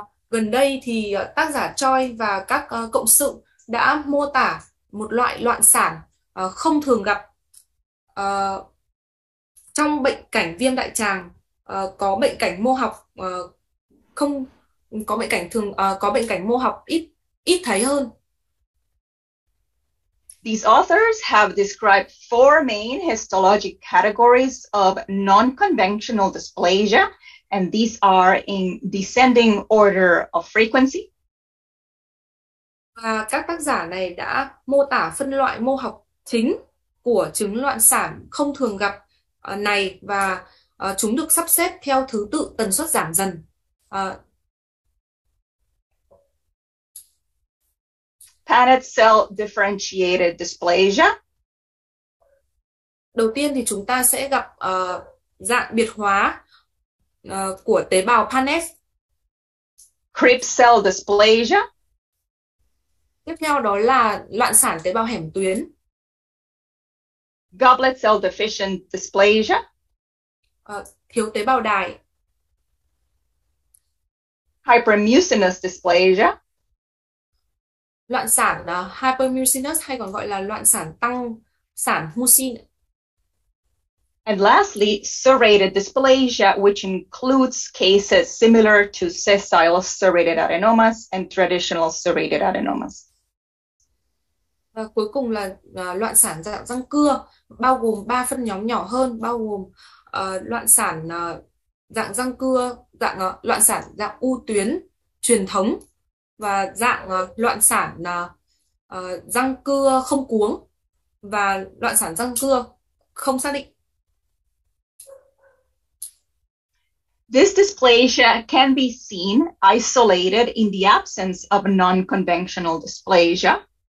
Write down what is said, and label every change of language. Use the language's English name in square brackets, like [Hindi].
[Vietnamese] Gần đây thì tác giả Choi và các cộng sự đã mô tả một loại loạn sản không thường gặp trong bệnh cảnh viêm đại tràng, có bệnh cảnh mô học không có bệnh cảnh thường có bệnh cảnh mô học ít ít thấy hơn. [English] These authors have described four main histologic categories of non-conventional dysplasia, and these are in descending order of frequency. [Vietnamese] Và các tác giả này đã mô tả phân loại mô học chính của chứng loạn sản không thường gặp này và chúng được sắp xếp theo thứ tự tần suất giảm dần. [English] Padded cell differentiated dysplasia. [Vietnamese] Đầu tiên thì chúng ta sẽ gặp dạng biệt hóa của tế bào Paneth. [English] Crip cell dysplasia. [Vietnamese] Tiếp theo đó là loạn sản tế bào hẻm tuyến. [English] Goblet cell deficient dysplasia. [Vietnamese] Thiếu tế bào đài. [English] Hypermucinous dysplasia. [Vietnamese] Loạn sản hypermucinous hay còn gọi là loạn sản tăng sản mucin. [English] And lastly, serrated dysplasia, which includes cases similar to sessile serrated adenomas and traditional serrated adenomas. [Vietnamese] Và cuối cùng là loạn sản dạng răng cưa, bao gồm 3 phân nhóm nhỏ hơn, bao gồm loạn sản dạng răng cưa, dạng loạn sản dạng u tuyến truyền thống và dạng loạn sản răng cưa không cuống và loạn sản răng cưa không xác định. [English] This dysplasia can be seen isolated in the absence of non-conventional dysplasia.